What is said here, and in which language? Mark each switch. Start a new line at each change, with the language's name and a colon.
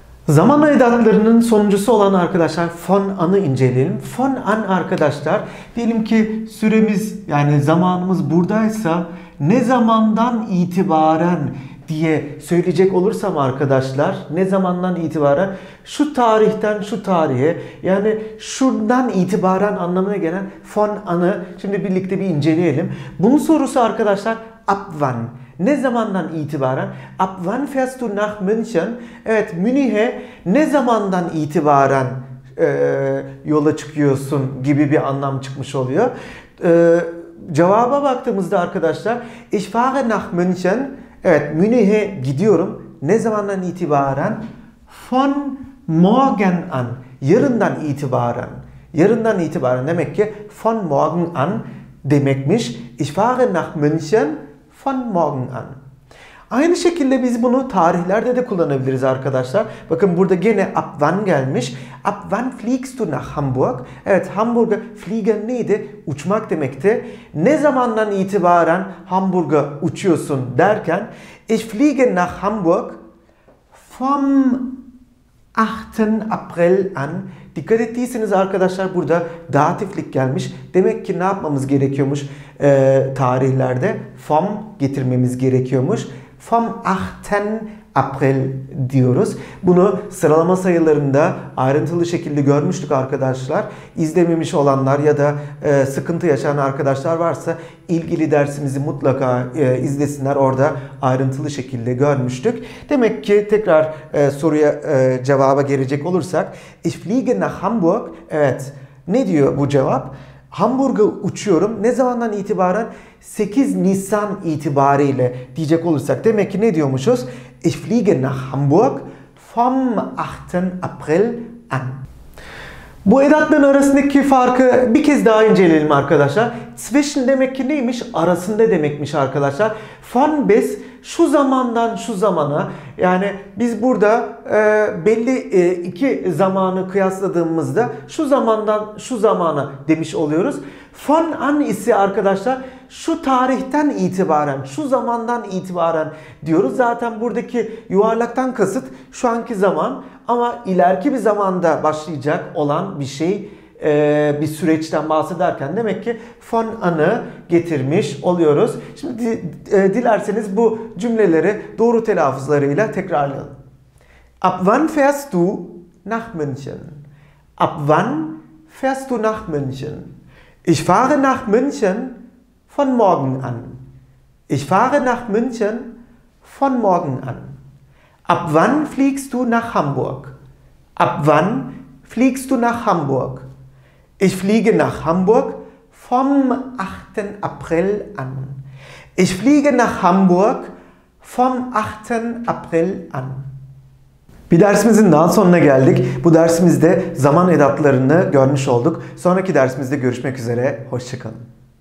Turkish: Zaman aidatlarının sonuncusu olan arkadaşlar von an'ı inceleyelim. Von an arkadaşlar, diyelim ki süremiz, yani zamanımız buradaysa, ne zamandan itibaren diye söyleyecek olursam arkadaşlar, ne zamandan itibaren, şu tarihten şu tarihe, yani şundan itibaren anlamına gelen von an'ı şimdi birlikte bir inceleyelim. Bunun sorusu arkadaşlar
German: ab wann?
Turkish: Ne zamandan itibaren?
German: Ab wann fährst du nach München?
Turkish: Evet, Münih'e ne zamandan itibaren yola çıkıyorsun gibi bir anlam çıkmış oluyor. Cevaba baktığımızda arkadaşlar,
German: ich fahre nach München.
Turkish: Evet, Münih'e gidiyorum. Ne zamandan itibaren?
German: Von morgen an.
Turkish: Yarından itibaren. Yarından itibaren demek ki
German: von morgen an
Turkish: demekmiş.
German: Ich fahre nach München. Von morgen an.
Turkish: Aynı şekilde biz bunu tarihlerde de kullanabiliriz arkadaşlar. Bakın burada gene
German: ab wann
Turkish: gelmiş.
German: Ab wann fliegst du nach Hamburg?
Turkish: Evet, Hamburg'a fliegen neydi? Uçmak demekti. Ne zamandan itibaren Hamburg'a uçuyorsun derken,
German: ich fliege nach Hamburg vom 8. April an.
Turkish: Dikkat ettiyseniz arkadaşlar, burada datiflik gelmiş. Demek ki ne yapmamız gerekiyormuş tarihlerde? Vom getirmemiz gerekiyormuş. Vom 8. April diyoruz. Bunu sıralama sayılarında ayrıntılı şekilde görmüştük arkadaşlar. İzlememiş olanlar ya da sıkıntı yaşayan arkadaşlar varsa ilgili dersimizi mutlaka izlesinler. Orada ayrıntılı şekilde görmüştük. Demek ki tekrar soruya cevaba gelecek olursak,
German: ich fliege nach Hamburg.
Turkish: Evet. Ne diyor bu cevap? Hamburg'a uçuyorum. Ne zamandan itibaren? 8 Nisan itibariyle diyecek olursak. Demek ki ne diyormuşuz?
German: Ich fliege nach Hamburg vom 8. April an.
Turkish: Bu edatların arasındaki farkı bir kez daha inceleyelim arkadaşlar. Zwischen demek ki neymiş? Arasında demekmiş arkadaşlar. Von bis, şu zamandan şu zamana. Yani biz burada belli iki zamanı kıyasladığımızda şu zamandan şu zamana demiş oluyoruz. Von an ise arkadaşlar şu tarihten itibaren, şu zamandan itibaren diyoruz. Zaten buradaki yuvarlaktan kasıt şu anki zaman, ama ileriki bir zamanda başlayacak olan bir şey, bir süreçten bahsederken demek ki von an'ı getirmiş oluyoruz. Şimdi dilerseniz bu cümleleri doğru telaffuzlarıyla tekrarlayalım.
German: Ab wann fährst du nach München? Ab wann fährst du nach München? Ich fahre nach München von morgen an. Ich fahre nach München von morgen an. Ab wann fliegst du nach Hamburg? Ab wann fliegst du nach Hamburg? Ich fliege nach Hamburg vom 8. April an. Ich fliege nach Hamburg vom 8. April an.
Turkish: Bir dersimizin daha sonuna geldik. Bu dersimizde zaman edatlarını görmüş olduk. Sonraki dersimizde görüşmek üzere. Hoşça kalın.